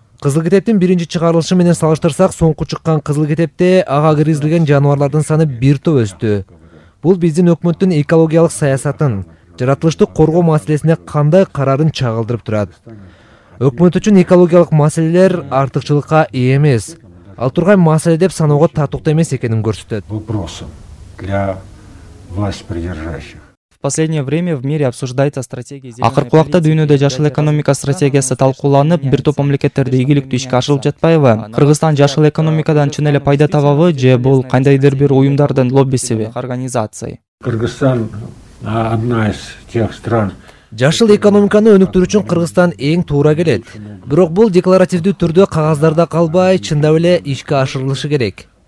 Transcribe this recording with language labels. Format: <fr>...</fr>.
<ky>Кызыл китептин биринчи чыгарылышы менен салыштырсак, соңку чыккан кызыл китепте ага киргизилген жаныбарлардын саны бир топ өстү. Бул биздин өкмөттүн экологиялык саясатын, жаратылышты коргоо маселесине кандай карарын чагылдырып турат. Өкмөт үчүн экологиялык маселелер артыкчылыкка ээ эмес, ал турган маселе деп саноого татыктуу эмес экенин көрсөтөт.</ky> <ru>В последнее время в мире обсуждается стратегия зеленой.</ru> <ky>Акыркы убакта дүйнөдө жашыл экономика стратегиясы талкууланып, бир топ мамлекеттерде ийгиликтүү ишке ашылып жатпайбы? Кыргызстан жашыл экономикадан чын эле пайда табабы же бул кандайдыр бир уюмдардын лоббисиби, организация?</ky> <ru>Кыргызстан одна из тех стран.</ru> <ky>Жашыл экономиканы өнүктүрүү үчүн Кыргызстан эң туура келет. Бирок бул декларативдүү түрдө кагаздарда калбай, чындап эле ишке ашырылышы керек.</ky>